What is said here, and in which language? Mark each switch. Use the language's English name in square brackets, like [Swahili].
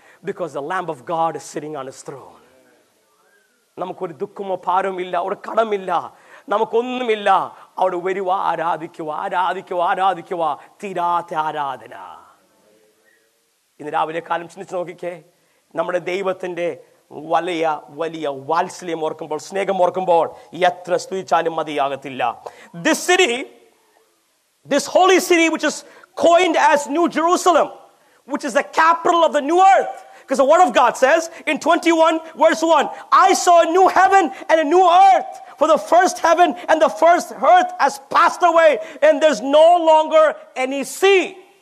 [English] Because the Lamb of God is sitting on his throne. [Malayalam] നമുക്കൊരു ദുഃഖമോ പാരമില്ല, ഒരു കടമില്ല, നമുക്കൊന്നുമില്ല. അവിടെ വരുവ, ആരാധിക്കുക, ആരാധിക്കുക, ആരാധിക്കുക, തീരാത്ത ആരാധന. ഇന്ന് രാവിലെ കാലം ചിന്തിച്ച് നോക്കിക്കേ, നമ്മുടെ ദൈവത്തിന്റെ വലിയ വലിയ വാത്സല്യം ഓർക്കുമ്പോൾ, സ്നേഹം ഓർക്കുമ്പോൾ എത്ര സ്തുതിച്ചാലും മതിയാകത്തില്ല. [English] This city, this holy city which is coined as New Jerusalem, which is the capital of the new earth. Because the word of God says in 21 verse 1, I saw a new heaven and a new earth, for the first heaven and the first earth has passed away and there's no longer any sea.